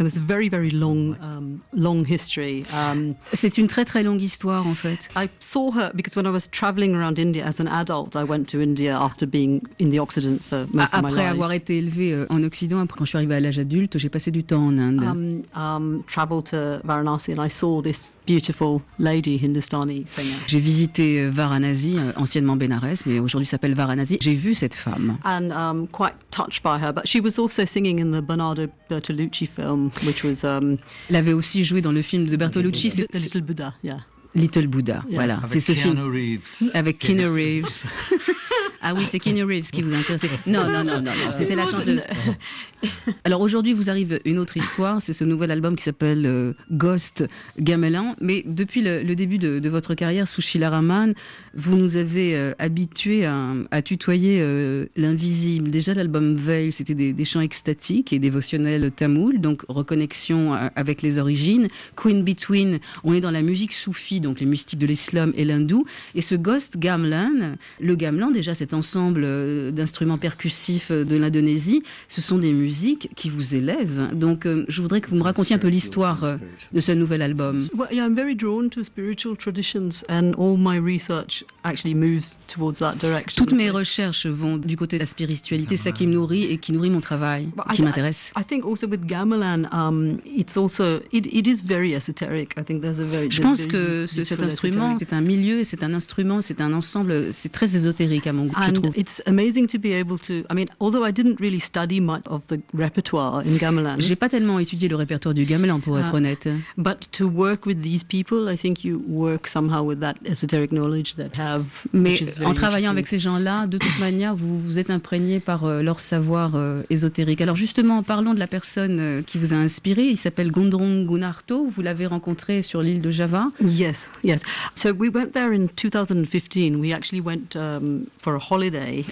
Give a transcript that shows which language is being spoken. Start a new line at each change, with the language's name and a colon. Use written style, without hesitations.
English: And it's a very, very long, long history.
French: C'est une très, très longue histoire, en fait.
English: I saw her because when I was travelling around India as an adult, I went to India after being in the Occident for most of my life.
French: Après avoir été élevée en Occident, après, quand je suis arrivée à l'âge adulte, j'ai passé du temps en Inde.
English: Travel to Varanasi and I saw this beautiful lady, Hindustani singer.
French: J'ai visité Varanasi, anciennement Benares, mais aujourd'hui ça Varanasi. J'ai vu cette femme.
English: And quite touched by her, but she was also singing in the Bernardo Bertolucci film, which was.
French: Elle avait aussi joué dans le film de Bertolucci, c'est The Little Buddha.
English: Yeah.
French: Little Buddha.
English: Yeah.
French: Voilà. Avec c'est ce Keanu film. Reeves. Avec Keanu Reeves. Ah oui, c'est Keanu Reeves qui vous intéresse. Non, c'était la chanteuse. Alors aujourd'hui, vous arrive une autre histoire, c'est ce nouvel album qui s'appelle Ghost Gamelan. Mais depuis le début de votre carrière, Sushila Raman, vous nous avez habitués à tutoyer l'invisible. Déjà, l'album Veil, c'était des chants extatiques et dévotionnels tamouls, donc reconnexion avec les origines. Queen Between, on est dans la musique soufie, donc les mystiques de l'islam et l'hindou. Et ce Ghost Gamelan, le Gamelan déjà, cet ensemble d'instruments percussifs de l'Indonésie, ce sont des musiques qui vous élèvent. Donc, je voudrais que vous me racontiez un peu l'histoire de ce nouvel album.
English: Well, yeah, I'm very drawn to spiritual traditions, and all my research actually moves towards that direction.
French: Toutes mes recherches vont du côté de la spiritualité, c'est ça qui me nourrit et qui nourrit mon travail, qui m'intéresse.
English: I think also with Gamelan, it is very esoteric. I think there's a very.
French: Je pense que cet instrument, c'est un milieu, c'est un instrument, c'est un ensemble, c'est très ésotérique.
English: And it's amazing to be able to. I mean, although I didn't really study much of the repertoire in gamelan.
French: J'ai pas tellement étudié le répertoire du gamelan pour être honnête.
English: But to work with these people, I think you work somehow with that esoteric knowledge that have. Mais en travaillant avec ces gens-là, de toute manière, vous vous êtes imprégné par leur savoir ésotérique.
French: Alors justement, parlons de la personne qui vous a inspiré. Il s'appelle Gundrung Gunarto. Vous l'avez rencontré sur l'île de Java.
English: Yes, yes. So we went there in 2015. We actually went. For a holiday.